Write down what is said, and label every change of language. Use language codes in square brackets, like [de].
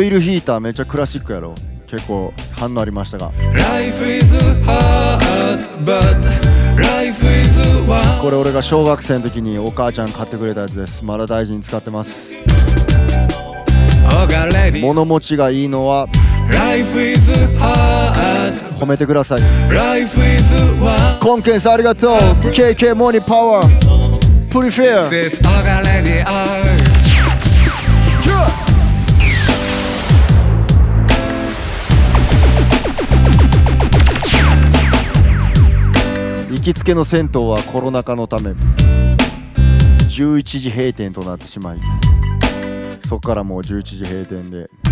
[ja] オイルヒーターめっちゃクラシックやろ結構反応ありましたが [en] Life is hard, but life is wild. [ja] これ俺が小学生の時にお母ちゃん買ってくれたやつですまだ大事に使ってます物持ちがいいのは [en] Life is hard. [ja] 褒めてください [en] Life is wild. [ja] コンケンさんありがとう KK モニパワープリフェアきつけの銭湯はコロナ禍のため11時閉店となってしまいそこからもう11時閉店で